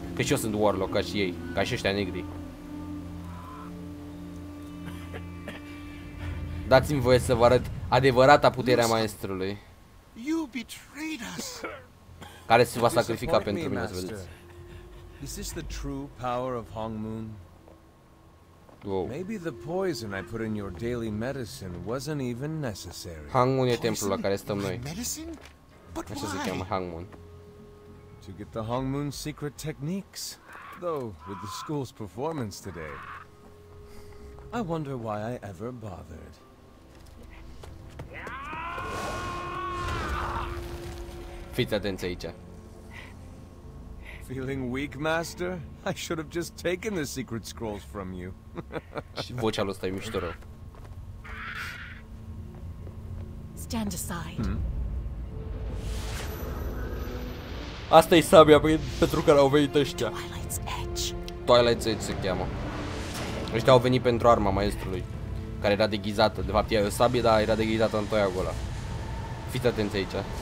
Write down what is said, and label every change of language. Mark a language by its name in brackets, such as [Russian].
[Romanian] Că și eu sunt warlock ca și ei, ca și ăștia negri. Dați-mi voie să vă arăt adevărata puterea maestrului. [English] You betrayed us. [Romanian] Care se va sacrifica pentru mine, să vedeți. [English] Is this the true power of Hong Moon? Wow. Maybe the poison I put in your daily medicine wasn't even necessary. [Romanian] Hong Moon e templul la care stăm noi. [English] Medicine? But why? [Romanian] Așa se cheamă Hong Moon. [English] To get the Hong Moon secret techniques. Though, with the school's performance today, I wonder why I ever bothered. [Romanian] Fiți atenți aici. [English] Feeling weak, master? I should have just taken the secret scrolls from you. [Romanian] Și vocea lui ăsta e mișto rău. [English] Stand aside. [Romanian] Asta e sabia pentru care au venit ăștia. [English] Twilight's Edge. [Romanian] Twilight's Edge se cheamă. Ăștia au venit pentru arma maestrului, care era deghizată. De fapt, ea e o sabie, dar era deghizată în toia gola. Fiți atenți aici.